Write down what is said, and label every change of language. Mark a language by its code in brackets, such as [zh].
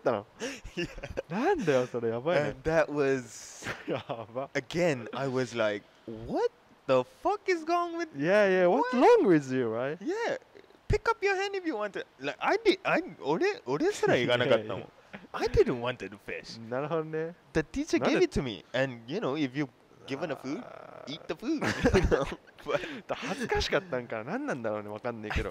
[ja] それで、あの、サバが欲しい人誰も手挙げなかったから、ラニのところにそのサバが来て、ラニ食べたと。で、昼休みになって、そのラニのこといじめてるやつが、なんかラニのとこ来て、俺食べたかったんだけどって言って、で、ラニのこと蹴ったの。なんだよ、それやばいね。 [en] That was again, I was like, what the fuck is wrong with you? Yeah, yeah, what's wrong with you, right? Yeah. Pick up your hand if you want to. Like I did I didn't I didn't want the fish. [ja] なるほどね。 [en] The teacher gave it to me. And you know, if you're given a food, eat the food. But [ja] 恥ずかしかったんかな、何なんだろうね、わかんないけど。